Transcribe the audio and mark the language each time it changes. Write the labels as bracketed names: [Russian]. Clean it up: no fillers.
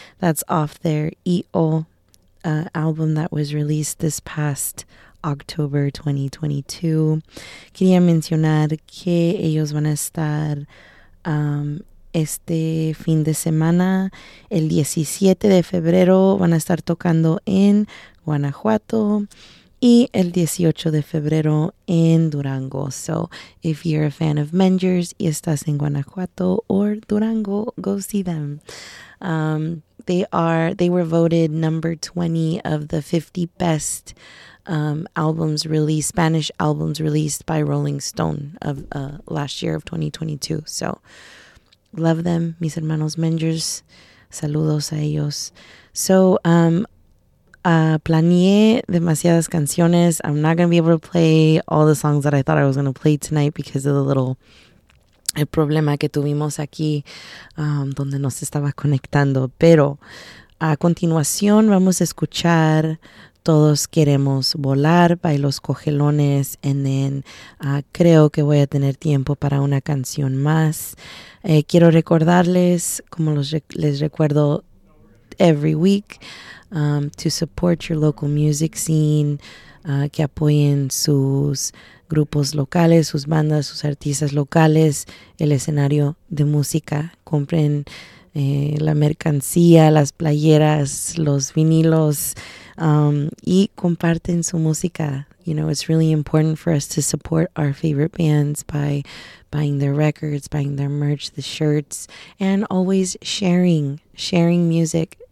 [English] That's off their EO album that was released this past October 2022. [Spanish] Quería mencionar que ellos van a estar este fin de semana, el 17 de febrero, van a estar tocando en Guanajuato y el 18 de febrero en Durango. [English] So if you're a fan of Mengers [Spanish] y estás en [English] Guanajuato or Durango, go see them. They were voted number 20 of the 50 best albums released, Spanish albums released by Rolling Stone of last year of 2022. So love them, [Spanish] mis hermanos Mengers. Saludos a ellos. So planeé demasiadas canciones. [English] I'm not going to be able to play all the songs that I thought I was going to play tonight because of the little [Spanish] el problema que tuvimos aquí donde nos estaba conectando. Pero a continuación vamos a escuchar Todos Queremos Volar by Los Cojelones. [English] And then [Spanish] creo que voy a tener tiempo para una canción más. Quiero recordarles, como les recuerdo [English] every week, to support your local music scene, [Spanish] que apoyen sus grupos locales, sus bandas, sus artistas locales, el escenario de música. Compren la mercancía, las playeras, los vinilos, y comparten su música. [English] You know, it's really important for us to support our favorite bands by buying their records, buying their merch, the shirts, and always sharing music.